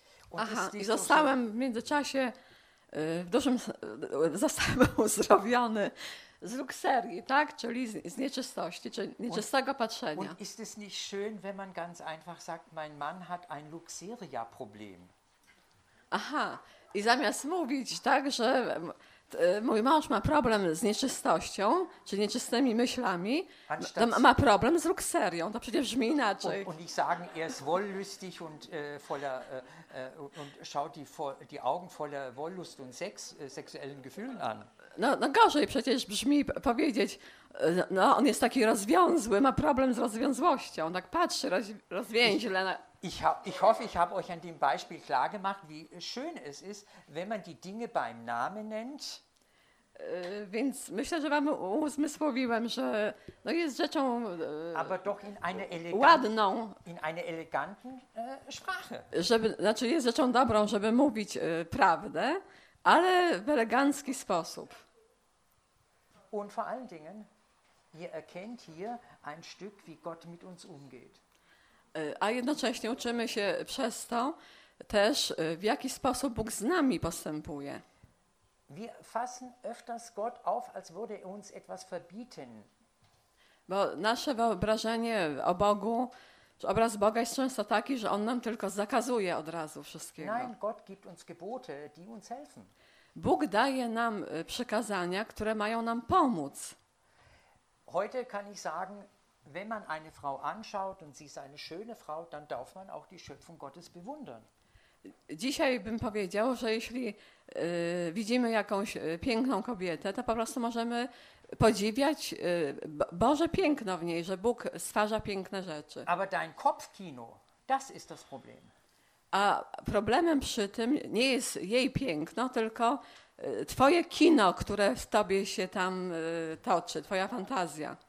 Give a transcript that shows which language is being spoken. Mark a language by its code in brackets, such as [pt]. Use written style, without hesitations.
[de] Und aha, ist [pl] i zostałem w międzyczasie w dużym zostałem uzdrowiony z lukserii, tak? Czyli z nieczystości, czy nieczystego patrzenia. [de] Und ist es nicht schön, wenn man ganz einfach sagt, mein Mann hat ein Luxeria-Problem? [pl] Aha, i zamiast mówić, tak, że mój mąż ma problem z nieczystością, czy nieczystymi myślami, ma problem z lukserią. To przecież brzmi inaczej. [de] Und ich sage, er ist wollüstig und voller und schaut die Augen voller Wollust und Sex sexuellen Gefühlen an. [pl] No gorzej przecież brzmi powiedzieć, no on jest taki rozwiązły, ma problem z rozwiązłością. Tak patrzy rozwięźle na. [de] Ich hoffe, ich habe euch an dem Beispiel klar gemacht, wie schön es ist, wenn man die Dinge beim Namen nennt. [pl] Więc myślę, że wam uzmysłowiłem, że no jest rzeczą [de] aber doch in eine [pl] ładną, [de] in eine eleganten Sprache. [pl] Żeby, znaczy jest rzeczą dobrą, żeby mówić prawdę, ale w elegancki sposób. [de] Und vor allen Dingen, ihr erkennt hier ein Stück, wie Gott mit uns umgeht. [pl] A jednocześnie uczymy się przez to też, w jaki sposób Bóg z nami postępuje. [de] Wir fassen öfters Gott auf, als würde er uns etwas verbieten. [pl] Bo nasze wyobrażenie o Bogu, obraz Boga jest często taki, że on nam tylko zakazuje od razu wszystkiego. [de] Nein, Gott gibt uns Gebote, die uns helfen. [pl] Bóg daje nam przykazania, które mają nam pomóc. [de] Heute kann ich sagen, wenn man eine Frau anschaut und sie ist eine schöne Frau, dann darf man auch die Schöpfung Gottes bewundern. [pl] Dzisiaj bym powiedział, że jeśli widzimy jakąś piękną kobietę, to po prostu możemy podziwiać Boże piękno w niej, że Bóg stwarza piękne rzeczy. [de] Aber dein Kopfkino, das ist das Problem. [pl] A problemem przy tym nie jest jej piękno, tylko twoje kino, które w tobie się tam toczy, twoja fantazja.